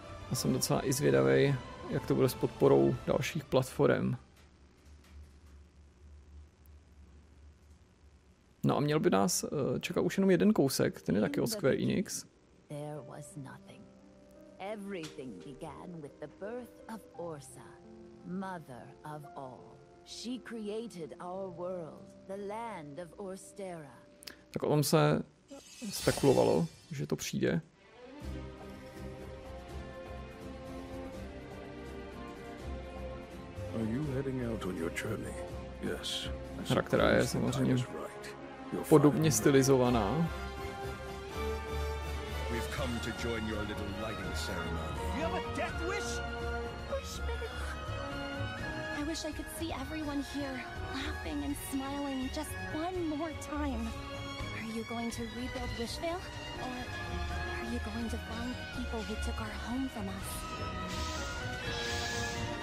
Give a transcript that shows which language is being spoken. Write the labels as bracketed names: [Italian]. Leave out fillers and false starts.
[Czech] A jsem docela i zvědavý, jak to bude s podporou dalších platform. No a měl by nás čekat už jenom jeden kousek, ten je taky od Square Enix. [English] Everything began with the birth of Orsa, mother of all. She created our world, the land of Orstera. [Czech] Tak o tom se spekulovalo, že to přijde. [English] Are you heading out on your journey? Yes. [Czech] Hra, která je samozřejmě podobně stylizovaná. [English] We've come to join your little lighting ceremony. You have a death wish? Wish me? I wish I could see everyone here, laughing and smiling just one more time. Are you going to rebuild Wishvale? Or are you going to find the people who took our home from us?